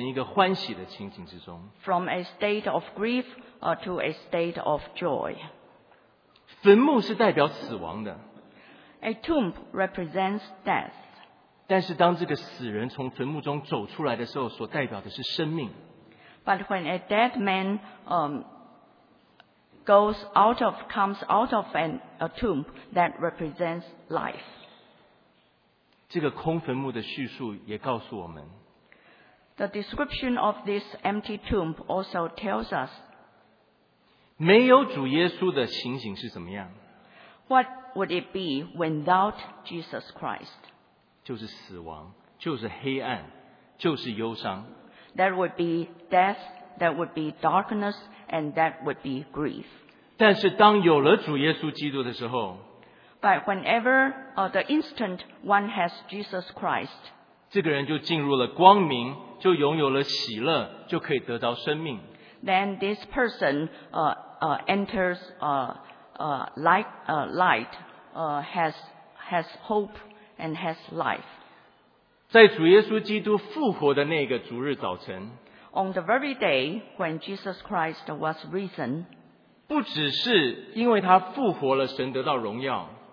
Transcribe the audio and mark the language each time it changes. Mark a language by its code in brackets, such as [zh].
[zh] 他从一个忧伤的情景之中变成一个欢喜的情景之中。 [en] From a state of grief to a state of joy. [zh] 坟墓是代表死亡的。 [en] A tomb represents death. [zh] 但是当这个死人从坟墓中走出来的时候，所代表的是生命。 [en] But when a dead man comes out of a tomb, that represents life. [zh] 这个空坟墓的叙述也告诉我们， [en] The description of this empty tomb also tells us [zh] 没有主耶稣的情形是怎么样？ [en] What would it be without Jesus Christ? [zh] 就是死亡，就是黑暗，就是忧伤。 [en] That would be death, that would be darkness, and that would be grief. [zh] 但是当有了主耶稣基督的时候， [en] But whenever the instant one has Jesus Christ, [zh] 这个人就进入了光明，就拥有了喜乐，就可以得到生命。 [en] Then this person enters light, has hope and has life. [zh] 在主耶稣基督复活的那个主日早晨， [en] On the very day when Jesus Christ was risen, [zh] 不只是因为他复活了，神得到荣耀。